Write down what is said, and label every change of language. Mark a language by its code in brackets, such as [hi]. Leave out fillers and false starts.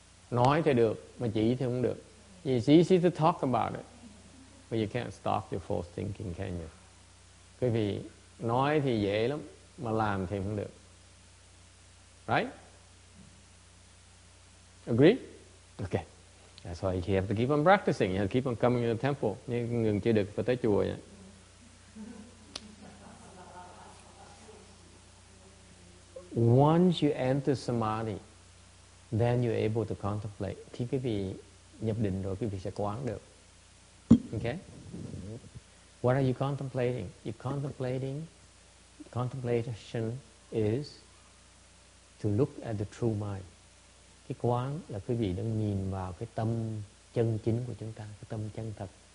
[vi] Nói thì được, mà chỉ thì không được. [en] It's easy to talk about it, but you can't stop your false thinking, can you? [vi] Quý vị, nói thì dễ lắm, mà làm thì không được. [en] Right? Agree? Okay. That's why you have to keep on practicing. You have to keep on coming to the temple. [vi] Nếu ngừng chưa được, phải tới chùa vậy. [en] Once you enter samadhi, then you're able to contemplate. [vi] Thì quý vị nhập định rồi, quý vị sẽ quán được. [en] Okay? What are you contemplating? You're contemplating. Contemplation is to look at the true mind. [vi] Cái quán là quý vị đang nhìn vào cái tâm chân chính của chúng ta, cái tâm chân thật.